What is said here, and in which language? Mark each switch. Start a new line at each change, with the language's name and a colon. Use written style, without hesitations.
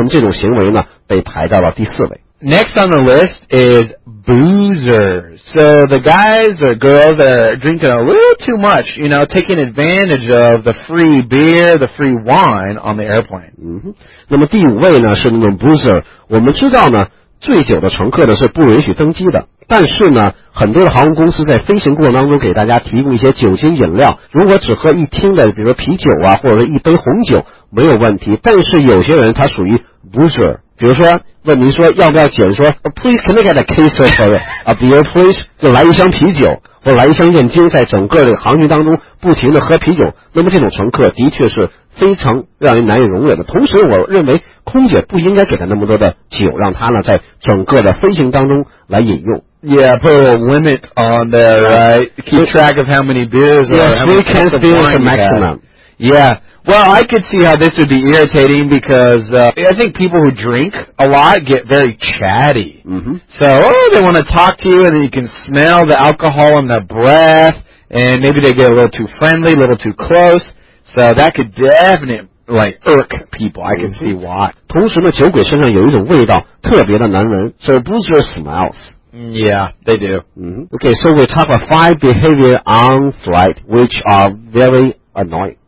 Chinese: 那排在第四位呢，是那种大声说话以及呢大声播放自己那些音乐的那些乘客，他们的音乐有的时候的的确确太大了，能干扰到旁边的乘客。那么这种行为呢，被排到了第四位。
English: Next on the list is boozers. So the guys or girls that are drinking a little too much, you know, taking advantage of the free beer, the free wine on the airplane.
Chinese: 那么第五位呢，是那种 boozer. 我们知道呢，醉酒的乘客呢是不允许登机的。但是呢，很多的航空公司在飞行过程当中给大家提供一些酒精饮料。如果只喝一听的，比如啤酒啊，或者一杯红酒，没有问题。但是有些人他属于 boozer， 比如说问您说要不要酒，说
English: please can I get a case of a beer please，
Chinese: 就来一箱啤酒，或来一箱燕京，在整个这个航行当中不停的喝啤酒。那么这种乘客的确是非常让人难以容忍的。同时，我认为空姐不应该给他那么多的酒，让他呢在整个的飞行当中来饮用。
English: Yeah, put a limit on there, right? Keep track of how many beers or yes, three cans of beer is the maximum. Yeah. Well, I could see how this would be irritating because I think people who drink a lot get very chatty. Mm-hmm. So they want to talk to you and then you can smell the alcohol in their breath and maybe they get a little too friendly, a little too close. So that could definitely... Like irk people, I can see why.
Chinese: 同时呢，酒鬼身上有一种味道，特别的难闻。
English: So boozer smells. Yeah, they do. Mm-hmm. Okay, so we talk about five behavior on flight, which are very annoying.